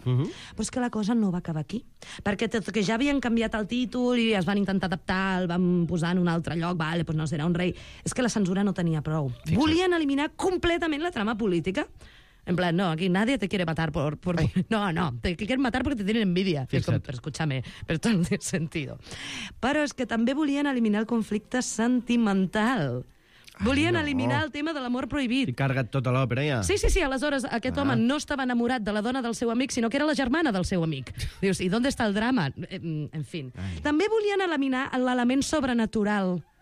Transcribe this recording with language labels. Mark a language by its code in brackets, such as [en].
[ca] Però és que la cosa no va acabar aquí. Perquè tot que ja havien canviat el títol i es van intentar adaptar, el van posar en un altre lloc, vale, pues no serà un rei. És que la censura no tenia prou. Fixa. Volien eliminar completament la trama política. [es] En plan, no, aquí nadie te quiere matar por... No, te quieren matar porque te tienen envidia. [ca] Fixa't. [es] Es como, pero escúchame, pero esto no tiene sentido. [ca] Però és que també volien eliminar el conflicte sentimental. Volien eliminar el tema de l'amor prohibit. I carga't tota l'òpera, ja. Sí. Aleshores, aquest home no estava enamorat de la dona del seu amic, sinó que era la germana del seu amic. Dius, i d'on està el drama? En fi. També volien eliminar l'element sobrenatural.